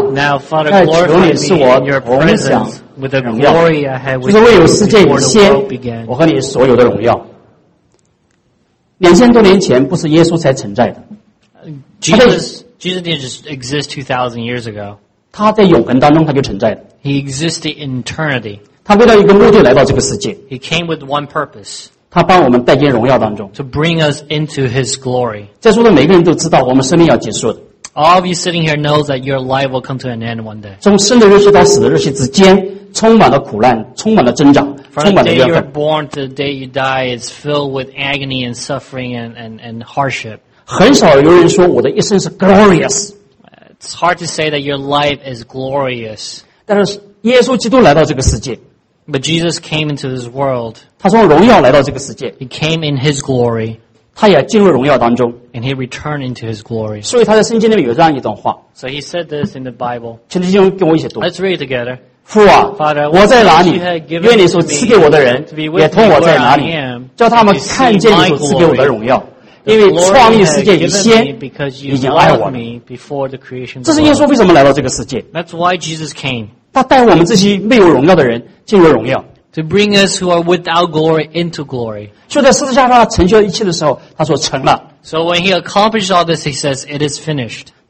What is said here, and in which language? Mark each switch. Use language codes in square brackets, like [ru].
[en] now, Father, glorify me in your presence with the glory I had with you before the world began. [zh] 2000多年前不是耶稣才存在的。 [en] Jesus didn't just exist 2,000 years ago. [zh] 他在永恒当中他就存在的。 [en] He existed in eternity. [zh] 他为了一个目的来到这个世界。 [en] He came with one purpose. [zh] 他帮我们带进荣耀当中。 [en] To bring us into his glory. [zh] 在座的每个人都知道我们生命要结束的。 [en] All of you sitting here knows that your life will come to an end one day. [zh] 从生的日期到死的日期之间, 充满了苦难, 充满了挣扎, [en] From the day you're born to the day you die, it's filled with agony and suffering and hardship. [zh] 很少有人说我的一生是glorious. [en] It's hard to say that your life is glorious. [zh] 但是耶稣基督来到这个世界, [en] But Jesus came into this world. [zh] 他从荣耀来到这个世界, [en] He came in His glory. [zh] 他也进入荣耀当中, [en] and he returned into his glory. [zh] 所以他在圣经里面有这样一段话, [en] so he said this in the Bible. [zh] 请弟兄跟我一起读。 [en] Let's read it together. [zh] 父啊, [en] Father, [zh] 我在哪里, 愿你所赐给我的人, [en] to be with [zh] 也同我在哪里, [en] where I am, [zh] 叫他们看见你所赐给我的荣耀, 因为创立世界以先, [en] because you loved me before the creation of the [zh] 这是耶稣为什么来到这个世界, [en] That's why Jesus came. [zh] 他带我们这些没有荣耀的人, 进入荣耀。 [en] To bring us who are without glory into glory. [zh] 就在十字架上成就一切的时候，他说成了。 [en] So when he accomplished all this, he says it is finished.